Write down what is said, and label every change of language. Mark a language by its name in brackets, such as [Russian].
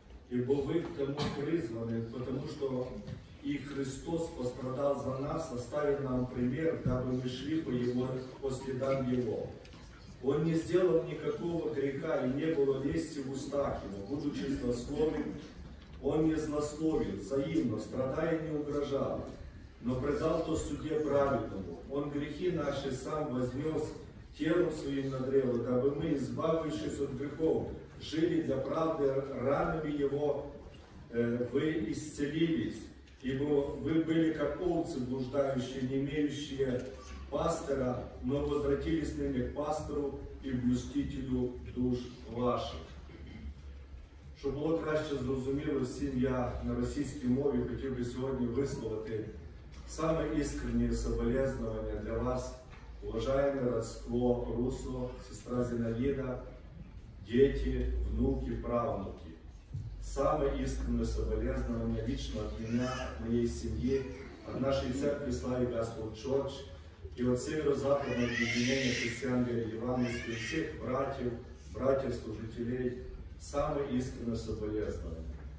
[Ukrainian] «Ібо ви к тому призвані, тому що і Христос пострадав за нас, оставив нам примір, дабы ми йшли по Його, по слідам Його. Он не зробив ніякого гріха і не було лісті в устах Його, будучи злословим, Он не злословив, взаємно, страдає, не угрожав, но предал то суде праведному. [Russian] Он грехи наши сам вознес телом своим на древо, дабы мы, избавившись от грехов, жили для правды, ранами его вы исцелились, ибо вы были как овцы блуждающие, не имеющие пастыря, но возвратились ныне к пастору и блюстителю душ ваших». [Ukrainian] Чтобы было краще зрозуміло всім, я на російській мові хотів би сьогодні висловити [Russian] самые искренние соболезнования для вас, уважаемое родство Русу, сестра Зинаида, дети, внуки, правнуки. Самые искренние соболезнования лично от меня, от моей семьи, от нашей церкви Слави Господь Чорч и от Северо-Западного объединения христиан Вероевангельских, всех братьев, братьев-служителей, самые искренние соболезнования.